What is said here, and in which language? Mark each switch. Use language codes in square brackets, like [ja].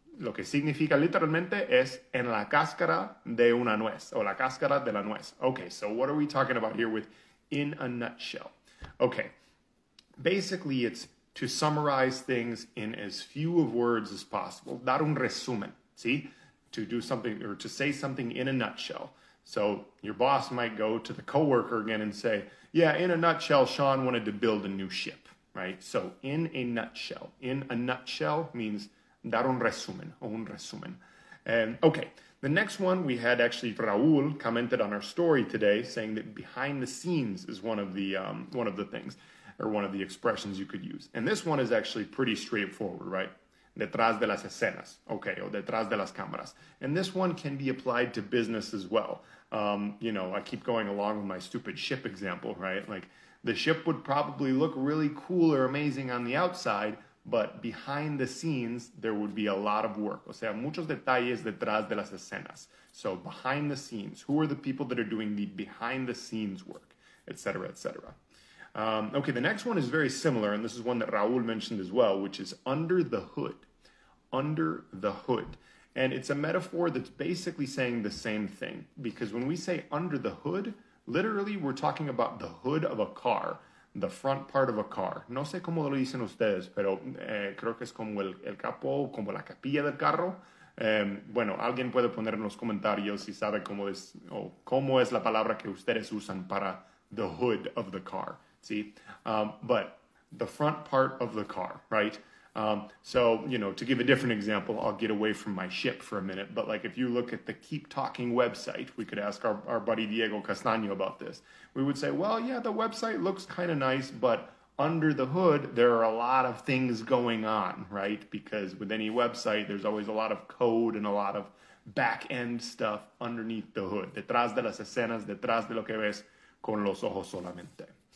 [es] Lo que significa literalmente es en la cáscara de una nuez, o la cáscara de la nuez. [en] Okay, so what are we talking about here with in a nutshell? Okay, basically it's to summarize things in as few of words as possible. [es] Dar un resumen, ¿sí? [en] To do something or to say something in a nutshell. So your boss might go to the coworker again and say, yeah, in a nutshell, Sean wanted to build a new ship, right? So in a nutshell. In a nutshell means [es] dar un resumen, o un resumen. [en] And okay, the next one we had actually Raúl commented on our story today saying that behind the scenes is one of the things. Or one of the expressions you could use. And this one is actually pretty straightforward, right? [es] Detrás de las escenas, okay, o detrás de las cámaras. [en] And this one can be applied to business as well. I keep going along with my stupid ship example, right? Like, the ship would probably look really cool or amazing on the outside, but behind the scenes, there would be a lot of work. [es] O sea, muchos detalles detrás de las escenas. [en] So, behind the scenes. Who are the people that are doing the behind the scenes work, et cetera, et cetera. Okay, the next one is very similar, and this is one that Raul mentioned as well, which is under the hood. Under the hood. And it's a metaphor that's basically saying the same thing, because when we say under the hood, literally we're talking about the hood of a car, the front part of a car. [es] No sé cómo lo dicen ustedes, pero creo que es como el capó, como la capilla del carro. Bueno, alguien puede poner en los comentarios si sabe cómo es o cómo es la palabra que ustedes usan para [en] the hood of the car, [es] ¿sí? [en] But the front part of the car, right? So, you know, to give a different example, I'll get away from my ship for a minute. But like, if you look at the Keep Talking website, we could ask our buddy Diego Castaño about this. We would say, well, yeah, the website looks kind of nice, but under the hood, there are a lot of things going on, right? Because with any website, there's always a lot of code and a lot of back end stuff underneath the hood. [es] Detrás de las escenas, detrás de lo que ves con los ojos solamente.